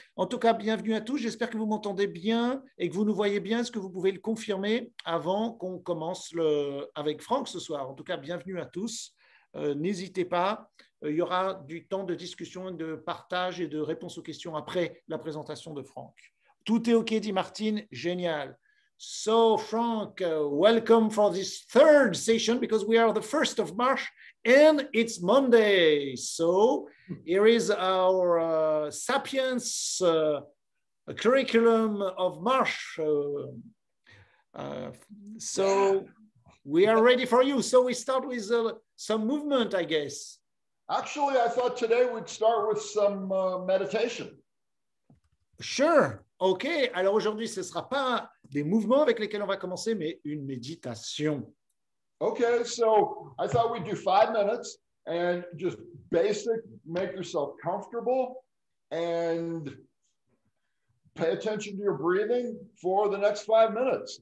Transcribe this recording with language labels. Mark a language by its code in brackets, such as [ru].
[fr] En tout cas, bienvenue à tous. J'espère que vous m'entendez bien et que vous nous voyez bien. Est-ce que vous pouvez le confirmer avant qu'on commence avec Franck ce soir? En tout cas, bienvenue à tous. N'hésitez pas. Il y aura du temps de discussion, de partage et de réponse aux questions après la présentation de Franck. Tout est OK, dit Martine. Génial. [en] So, Franck, welcome for this third session because we are the 1st of March and it's Monday. So, here is our Sapiens curriculum of March. So, we are ready for you. So, we start with some movement, I guess. Actually, I thought today we'd start with some meditation. Sure. OK. [fr] Alors aujourd'hui, ce ne sera pas des mouvements avec lesquels on va commencer, mais une méditation. [en] OK, so I thought we'd do 5 minutes and just basic, make yourself comfortable and pay attention to your breathing for the next 5 minutes.